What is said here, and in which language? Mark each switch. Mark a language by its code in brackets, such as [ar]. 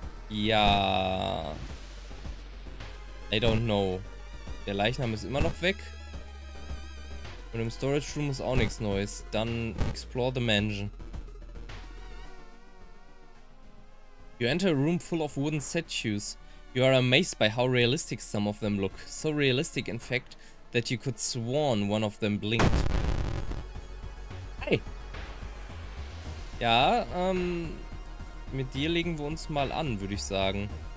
[de] Ja. [en] I don't know. [de] Der Leichnam ist immer noch weg. Und im Storage Room ist auch nichts Neues. [en] Dann explore the mansion. You enter a room full of wooden statues. You are amazed by how realistic some of them look. So realistic, in fact, that you could sworn one of them blinked. Hey! [de] Ja, mit dir legen wir uns mal an, würde ich sagen.